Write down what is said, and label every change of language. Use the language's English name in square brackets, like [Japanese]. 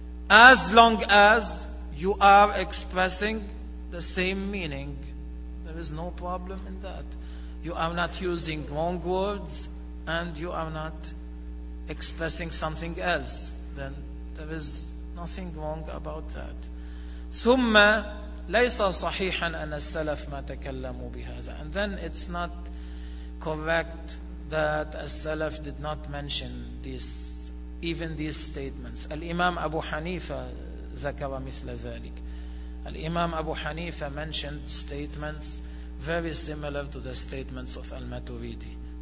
[English] As long as you are expressing the same meaning, there is no problem in that. You are not using wrong words and you are not expressing something else. Then there is nothing wrong about that. [Arabic] ثم ليس صحيحا أن السلف ما تكلموا بهذا. [English] And then it's not correct that السلف did not mention this. Even these statements. Al-Imam Abu Hanifa [Arabic] zakara mithla zalik. [English] Al-Imam Abu Hanifa mentioned statements very similar to the statements of Al-Maturidi.